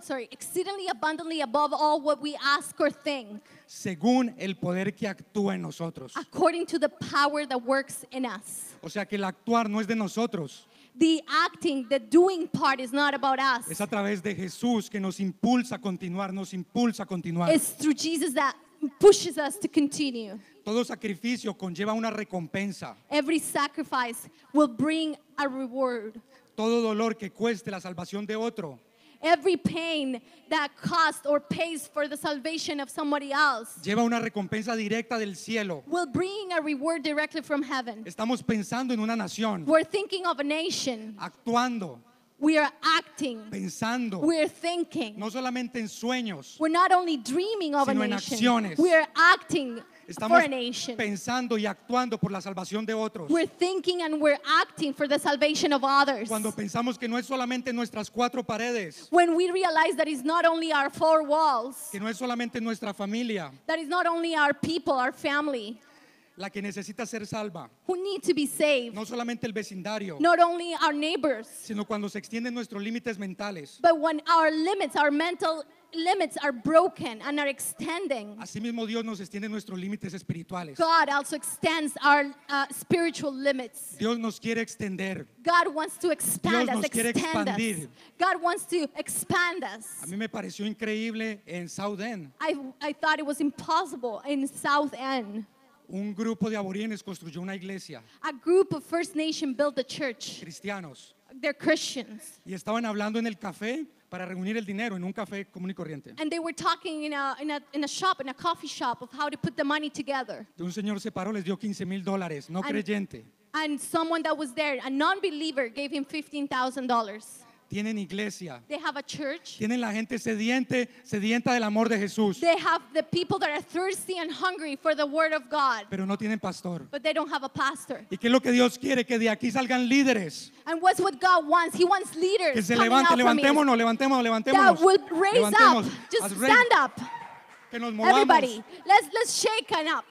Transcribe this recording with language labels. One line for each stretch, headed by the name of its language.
English: Exceedingly abundantly above all what we ask or think.
Spanish: Según el poder que actúa en nosotros.
English: According to the power that works in us.
Spanish: O sea que el actuar no es de nosotros.
English: The acting, the doing part is not about us.
Spanish: Es a través de Jesús que nos impulsa a continuar, nos impulsa a continuar.
English: It's through Jesus that pushes us to continue.
Spanish: Todo sacrificio conlleva una recompensa.
English: Every sacrifice will bring a reward.
Spanish: Todo dolor que cueste la salvación de otro.
English: Every pain that costs or pays for the salvation of somebody else
Spanish: lleva una recompensa directa del cielo.
English: Will bring a reward directly from heaven.
Spanish: Estamos pensando en una nación.
English: We're thinking of a nation.
Spanish: Actuando.
English: We are acting.
Spanish: Pensando.
English: We are thinking.
Spanish: No solamente en sueños.
English: We're not only dreaming of a nation.
Spanish: Sino en acciones.
English: We are acting.
Spanish: Estamos
English: for a nation.
Spanish: Pensando y actuando por la salvación de otros.
English: We're thinking and we're acting for the salvation of others.
Spanish: Cuando pensamos que no es solamente nuestras cuatro paredes.
English: When we realize that it's not only our four walls.
Spanish: Que no es solamente nuestra familia.
English: That it's not only our people, our family.
Spanish: La que necesita ser salva.
English: Who need to be saved.
Spanish: No solamente el vecindario.
English: Not only our neighbors.
Spanish: Sino cuando se extienden nuestros límites mentales.
English: But when our limits, our mental limits are broken and are extending.
Spanish: Asimismo, Dios nos extiende nuestros límites espirituales.
English: God also extends our spiritual limits.
Spanish: Dios nos quiere extender.
English: God wants to expand
Spanish: Dios
English: us,
Spanish: nos quiere
English: extend
Spanish: expandir.
English: Us. God wants to expand us.
Spanish: A mí me pareció increíble en South End.
English: I thought it was impossible in South End.
Spanish: Un grupo de aborígenes construyó una iglesia.
English: A group of First Nation built a church.
Spanish: Cristianos.
English: They're Christians.
Spanish: Y estaban hablando en el café para reunir el dinero en un café común y corriente.
English: And they were talking in a coffee shop of how to put the money together.
Spanish: Y un señor se paró, les dio $15,000, no creyente.
English: And someone that was there, a non-believer, gave him $15,000.
Spanish: Tienen iglesia.
English: They have a church.
Spanish: Tienen la gente sedienta del amor de Jesús.
English: They have the people that are thirsty and hungry for the word of God.
Spanish: Pero no tienen pastor.
English: But they don't have a pastor.
Spanish: ¿Y qué es lo que Dios quiere? Que de aquí salgan líderes.
English: And what's what God wants? He wants leaders.
Spanish: Que se levante, levantémonos.
English: That will raise up. Just stand up.
Spanish: Que nos movamos.
English: Everybody, let's shake it up.